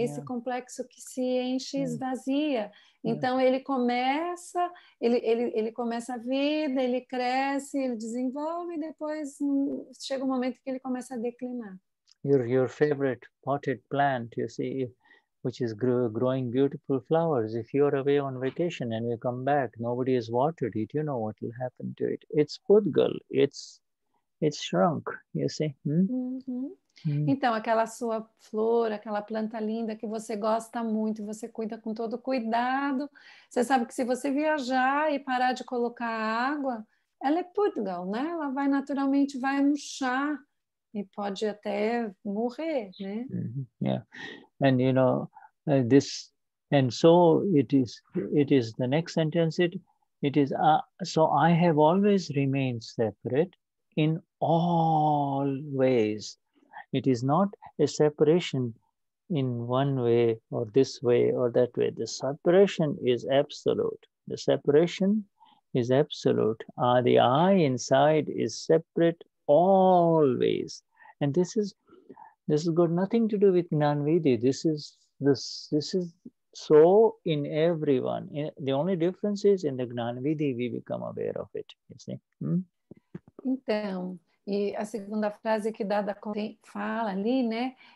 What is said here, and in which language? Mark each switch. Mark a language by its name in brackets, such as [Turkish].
[Portuguese] Esse complexo que se enche e esvazia. Então, ele começa a vida, ele cresce, ele desenvolve, e depois chega um momento que ele começa a declinar. [English] Your favorite potted plant, you see, which is growing beautiful flowers. If you're away on vacation and you come back, nobody has watered it, you know what will happen to it. It's pudgal, it's shrunk, you see. [Portuguese] Então, aquela sua flor, aquela planta linda que você gosta muito, você cuida com todo cuidado. Você sabe que se você viajar e parar de colocar água, ela é pudgal, né? Ela vai naturalmente, vai murchar e pode até morrer, né? [English] Mm-hmm. Yeah. And you know, this, and so it is the next sentence, so I have always remained separate. In all ways, it is not a separation in one way or this way or that way. The separation is absolute. The separation is absolute. The I inside is separate always, and this has got nothing to do with Jnanvidhi. This is so in everyone. The only difference is in the Jnanvidhi we become aware of it. You see. [Portuguese] Então, e a segunda frase que Dada fala ali, né?